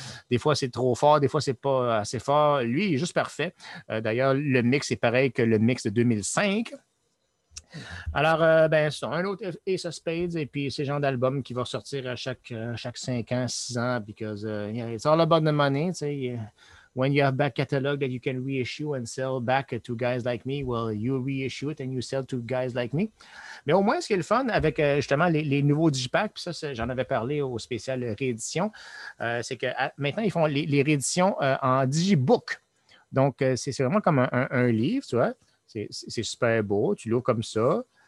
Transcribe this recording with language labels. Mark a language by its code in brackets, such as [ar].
[fr] Des fois, c'est trop fort, des fois, c'est pas assez fort. Lui, il est juste parfait. D'ailleurs, le mix est pareil que le mix de 2005. Alors, c'est un autre Ace of Spades et puis ces genres d'albums qui vont sortir à chaque 5 ans, 6 ans, [en] because it's all about the money, [fr] tu sais. [en] When you have back catalog that you can reissue and sell back to guys like me, well, you reissue it and you sell to guys like me. [fr] Mais au moins, ce qui est le fun avec justement les nouveaux digipacks, puis ça, j'en avais parlé au spécial réédition, c'est que maintenant, ils font les rééditions en digibook. Donc, c'est vraiment comme un livre, tu vois. C'est super beau, tu l'ouvres comme ça.